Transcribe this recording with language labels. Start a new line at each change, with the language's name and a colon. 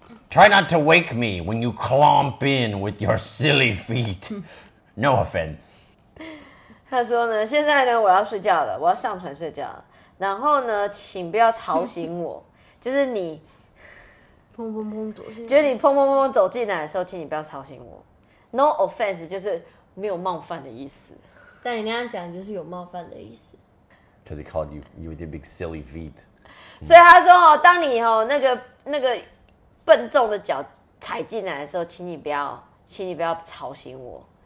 English: Try not to wake me when you clomp in with your silly feet. No offense.
Chinese: 他说呢，现在呢，我要睡觉了，我要上床睡觉了。然后呢，请不要吵醒我，就是你砰砰砰走进，就是你砰砰砰走进来的时候，请你不要吵醒我。
English: No offense
Chinese: 就是没有冒犯的意思。但你那样讲就是有冒犯的意思。
English: Because he called you with your big silly feet.
Chinese: 所以他说哦，当你哦那个笨重的脚踩进来的时候，请你不要吵醒我。